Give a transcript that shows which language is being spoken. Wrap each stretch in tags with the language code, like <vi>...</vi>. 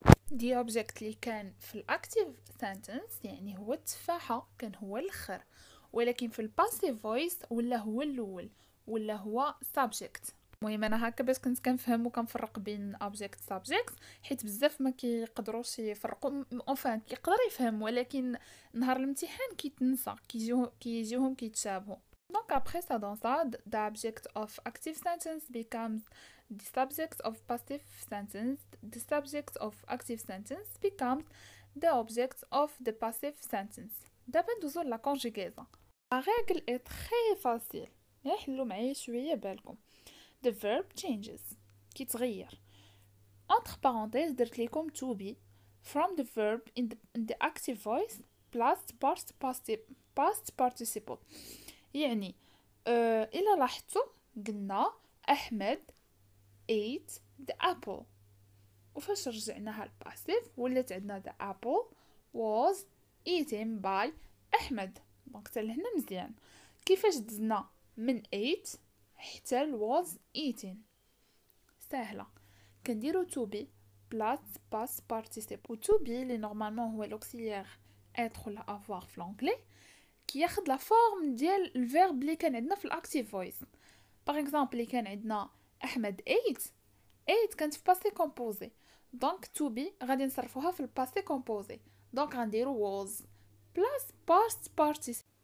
<ar>دي اوبجيكت اللي كان في الاكتيف سنتنس يعني هو التفاحه كان هو الاخر ولكن في الباسيف فويس ولا هو الاول ولا هو سبجكت المهم انا هكا باش كنت كنفهم وكنفرق بين اوبجيكت سابجيكت، حيت بزاف ما كيقدروش يفرقوا. اونفان كيقدر يفهم ولكن نهار الامتحان كيتنسى، كيجيهم كيتشابهوا.</ar> <fr>دونك ابري سا دون سا</fr> <en>the object of active sentence becomes the subject of passive sentence, the subject of active sentence becomes the object of the passive sentence.</en> <ar>دابا ندوزو لا كونجيغيزون.</ar> <fr>La règle est très facile.</fr> <ar>يحلو معايا شويه بالكم.</ar> <en>The verb changes.</en> <ar>كيتغير.</ar> <fr>Entre parenthèses</fr> <ar>درت لكم</ar> <en>to be from the verb in the active voice plus past participle.</en> <ar>يعني الى لاحظتوا قلنا احمد</ar> <en>ate the apple،</en> <ar>وفاش رجعناها للباسيف ولات عندنا</ar> <en>the apple was eaten by</en> <ar>احمد. دونك حتى لهنا مزيان. كيفاش دزنا من ate حتى was eaten؟ سهله، كنديرو</ar> <en>to be plus past participle.</en> <ar>to be اللي نورمالمون هو الاوكسيليير être ولا avoir في الانجلي، كياخد لا فورم ديال الفيرب اللي كان عندنا في الاكتيف فويس. باغ اكزامبل اللي كان عندنا احمد ايت، ايت كانت في باسي كومبوزي، دونك تو بي غادي نصرفوها في الباسي كومبوزي، دونك غنديرو ووز بلاس باست بارتيسيبل.</ar>